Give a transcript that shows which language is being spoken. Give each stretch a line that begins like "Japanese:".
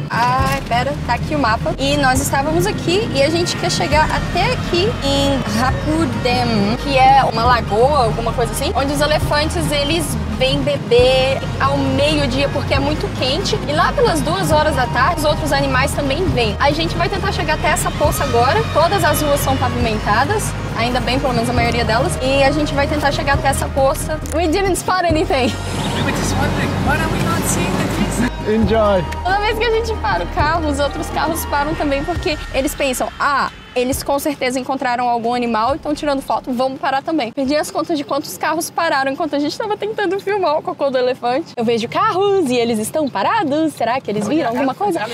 Portuguese: Ai, pera, tá aqui o mapa. E nós estávamos aqui e a gente quer chegar até aqui em Rapudem, que é uma lagoa, alguma coisa assim, onde os elefantes, eles vêm beber ao meio-dia porque é muito quente. E lá pelas 2 horas da tarde, os outros animais também vêm. A gente vai tentar chegar até essa poça agora. Todas as ruas são pavimentadas. Ainda bem, pelo menos a maioria delas. E a gente vai tentar chegar até essa poça.
English: We didn't spot anything. We were just wondering, why don't we not see the trees? Enjoy.
Portuguese: Toda vez que a gente para o carro, os outros carros param também porque eles pensam, ah, eles com certeza encontraram algum animal e estão tirando foto, vamos parar também. Perdi as contas de quantos carros pararam enquanto a gente estava tentando filmar o cocô do elefante. Eu vejo carros e eles estão parados. Será que eles viram alguma coisa?